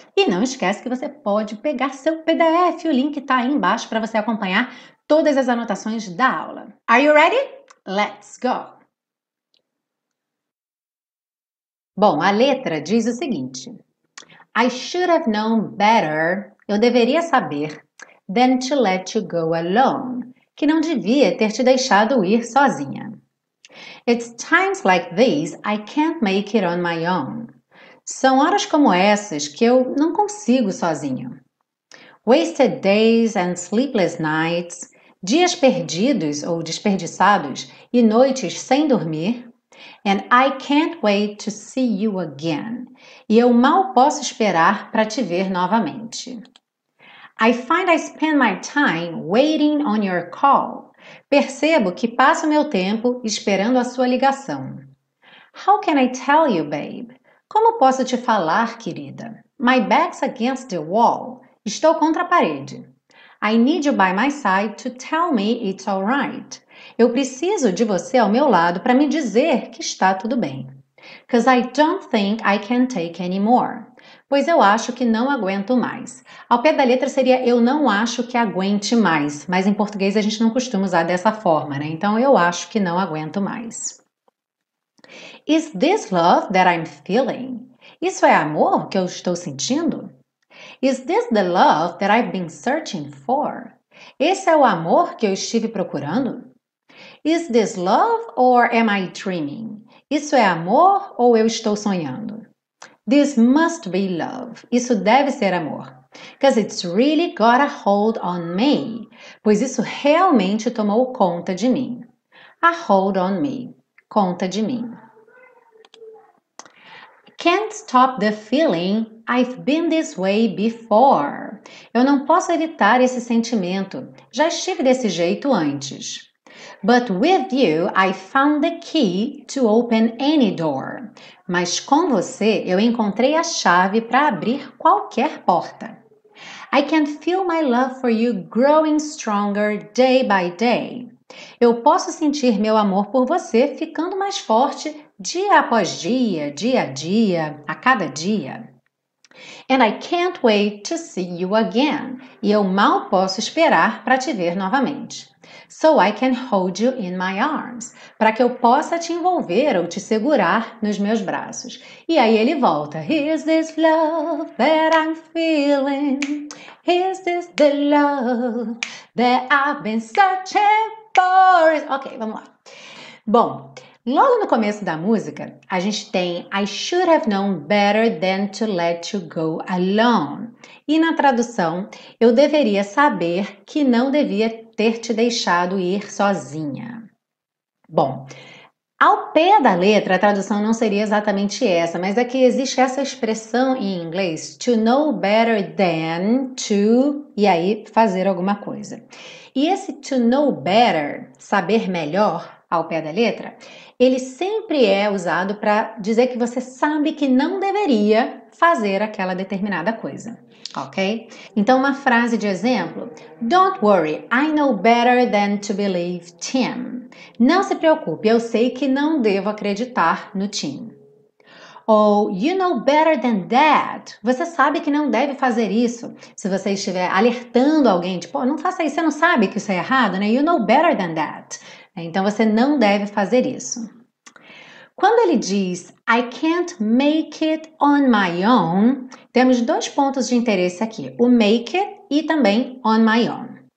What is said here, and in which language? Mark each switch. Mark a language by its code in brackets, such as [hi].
[pt] E não esquece que você pode pegar seu PDF, o link está aí embaixo para você acompanhar todas as anotações da aula. [en] Are you ready? Let's go! [pt] Bom, a letra diz o seguinte: [en] I should have known better, [pt] eu deveria saber, [en] than to let you go alone, [pt] que não devia ter te deixado ir sozinha. [en] It's times like these I can't make it on my own. [pt] São horas como essas que eu não consigo sozinho. [en] Wasted days and sleepless nights, [pt] dias perdidos ou desperdiçados e noites sem dormir. [en] And I can't wait to see you again. [pt] E eu mal posso esperar para te ver novamente. [en] I find I spend my time waiting on your call. [pt] Percebo que passo meu tempo esperando a sua ligação. [en] How can I tell you, babe? [pt] Como posso te falar, querida? [en] My back's against the wall. [pt] Estou contra a parede. [en] I need you by my side to tell me it's all right. [pt] Eu preciso de você ao meu lado para me dizer que está tudo bem. [en] 'Cause I don't think I can take anymore. [pt] Pois eu acho que não aguento mais. Ao pé da letra seria eu não acho que aguente mais. Mas em português a gente não costuma usar dessa forma, né? Então eu acho que não aguento mais. [en] Is this love that I'm feeling? [pt] Isso é amor que eu estou sentindo? [en] Is this the love that I've been searching for? [pt] Esse é o amor que eu estive procurando? [en] Is this love or am I dreaming? [pt] Isso é amor ou eu estou sonhando? [en] This must be love. [pt] Isso deve ser amor. [en] 'Cause it's really got a hold on me. [pt] Pois isso realmente tomou conta de mim. [en] A hold on me. [pt] Conta de mim. [en] Can't stop the feeling I've been this way before. [pt] Eu não posso evitar esse sentimento. Já estive desse jeito antes. [en] But with you, I found the key to open any door. [pt] Mas com você, eu encontrei a chave para abrir qualquer porta. [en] I can feel my love for you growing stronger day by day. [pt] Eu posso sentir meu amor por você ficando mais forte dia após dia, dia a dia, a cada dia. [en] And I can't wait to see you again. [pt] E eu mal posso esperar para te ver novamente. [en] so I can hold you in my arms. [pt] Para que eu possa te envolver ou te segurar nos meus braços. E aí ele volta. [en] Is this love that I'm feeling? Is this the love that I've been searching for? [pt] Ok, vamos lá. Bom, logo no começo da música, a gente tem [en] I should have known better than to let you go alone. [pt] E na tradução, eu deveria saber que não devia ter te deixado ir sozinha. Bom, ao pé da letra, a tradução não seria exatamente essa, mas é que existe essa expressão em inglês, [en] to know better than to, [pt] e aí fazer alguma coisa. E esse [en] to know better, [pt] saber melhor, ao pé da letra, ele sempre é usado para dizer que você sabe que não deveria fazer aquela determinada coisa, ok? Então, uma frase de exemplo, [en] don't worry, I know better than to believe Tim. [pt] Não se preocupe, eu sei que não devo acreditar no Tim. [en] Ou, you know better than that. [pt] Você sabe que não deve fazer isso. Se você estiver alertando alguém, tipo, não faça isso, você não sabe que isso é errado, né? [en] You know better than that. [pt] Então, você não deve fazer isso. Quando ele diz, I can't make it on my own, temos dois pontos de interesse aqui, o make it e também on my own.